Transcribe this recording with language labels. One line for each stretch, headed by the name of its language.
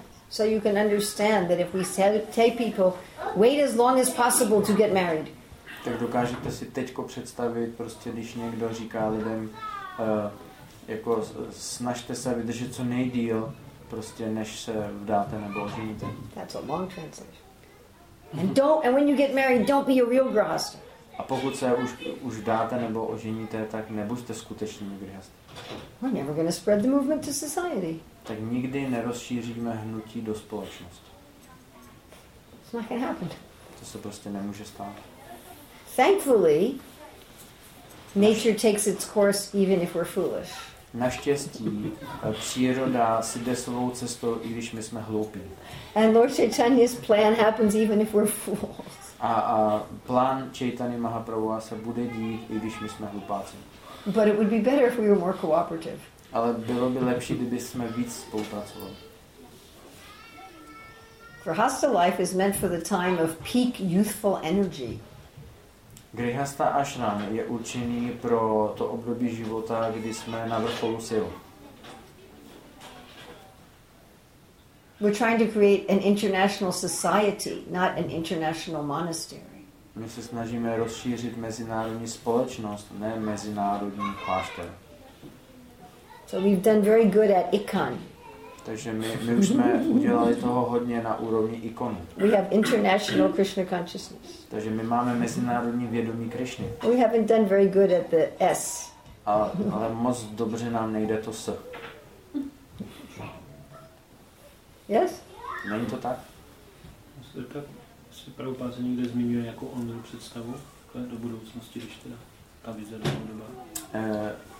English: So you can understand that if we tell people, wait as long as possible to get married.
Czech: Tak dokážete si teďko představit, prostě když někdo říká lidem, jako snažte se vydržet co nejdýl, prostě než se vdáte nebo oženíte.
English: That's a long translation. And when you get married, don't be a real grihastha.
Czech: A pokud se už vdáte nebo oženíte, tak nebuďte skutečným grihastha.
English: We're never going to spread the movement to society.
Czech: Tak nikdy nerozšíříme hnutí do společnosti.
English: It's not going to happen.
Czech: To se prostě nemůže stát.
English: Thankfully, nature takes its course even if we're foolish.
Czech: Naštěstí příroda si jde svou cestou, i když my jsme hloupí.
English: And Lord Chaitanya's plan happens even if we're fools.
Czech: A plán Chaitanya Mahaprabhu se bude dít, i když my jsme hlupáci.
English: But it would be better if we were more cooperative.
Czech: Ale bylo by lepší, kdyby jsme víc spolupracovali.
English: Grihastha life is meant for the time of peak youthful energy.
Czech: Grihastha ashram je určený pro to období života, kdy jsme na vrcholu sil.
English: We're trying to create an international society, not an international monastery.
Czech: My se snažíme rozšířit mezinárodní společnost, ne mezinárodní klášter.
English: So we've done very good at ICON.
Czech: Takže my už jsme udělali toho hodně na úrovni ikonu.
English: We have international Krishna consciousness.
Czech: Takže my máme mezinárodní vědomí Krishny.
English: We haven't done very good at the S.
Czech: Ale moc dobře nám nejde to S.
English: Yes?
Czech: Není to tak? zeptat, jestli Prabhupád se někde zmiňuje nějakou onou představu do budoucnosti, když teda ta vize do budoucna.